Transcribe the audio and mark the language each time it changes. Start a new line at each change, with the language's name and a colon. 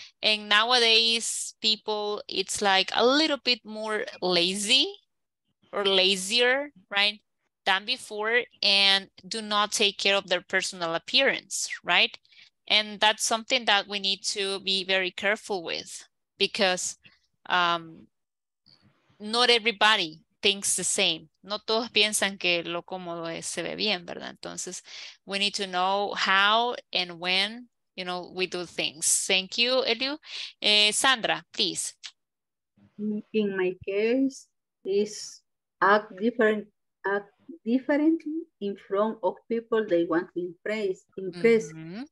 English: And nowadays, people, it's like a little bit more lazy or lazier, right, than before, and do not take care of their personal appearance, right? And that's something that we need to be very careful with, because not everybody thinks the same.
Spanish: No todos piensan que lo cómodo es, se ve bien, ¿verdad?
English: Entonces, we need to know how and when, you know, we do things. Thank you, Eliu. Sandra, please. In my case, is act differently in front of people they want to impress. Mm-hmm.